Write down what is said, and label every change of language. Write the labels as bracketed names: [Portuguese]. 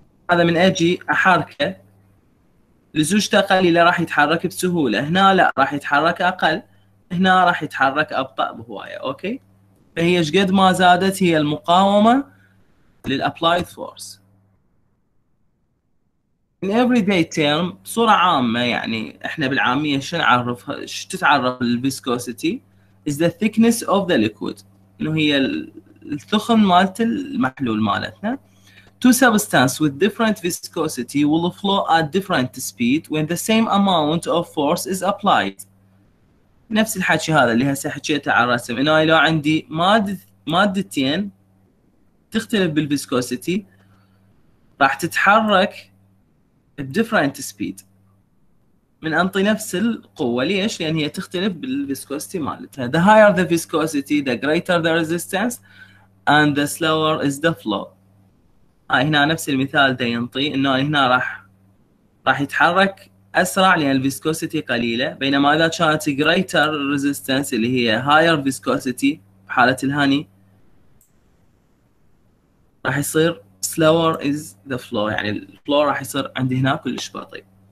[Arabic] هذا من اجي احركه لزوجته قليلة راح يتحرك بسهولة، هنا لا راح يتحرك أقل، هنا راح يتحرك أبطأ بهواية، أوكي؟ فهي شقد ما زادت هي المقاومة للأبلايد فورس. [English] In everyday term [Arabic] بصورة عامة، يعني إحنا بالعامية شو نعرف، شو تتعرف الفيسكوسيتي؟ [English] Is the thickness of the liquid، [Arabic] إنه هي الثخن مالت المحلول مالتنا. [English] Two substances with different viscosity will flow at different speed when the same amount of force is applied. [Arabic] نفس الحكي هذا اللي هسه حكيته على الرسم، انه لو عندي مادتين تختلف بالفيسكوسيتي راح تتحرك بديفرنت سبيد من انطي نفس القوه. ليش؟ لان هي تختلف بالفيسكوسيتي مالتها. [English] The higher the viscosity the greater the resistance and the slower is the flow. [Arabic] هاي هنا نفس المثال ده ينطي انه هنا راح يتحرك اسرع لان الفيسكوسيتي قليله، بينما اذا كانت [English] greater resistance [Arabic] اللي هي [English] higher viscosity [Arabic] بحاله الهاني راح يصير [English] slower is the flow، [Arabic] يعني الفلو راح يصير عندي هنا كلش بطيء.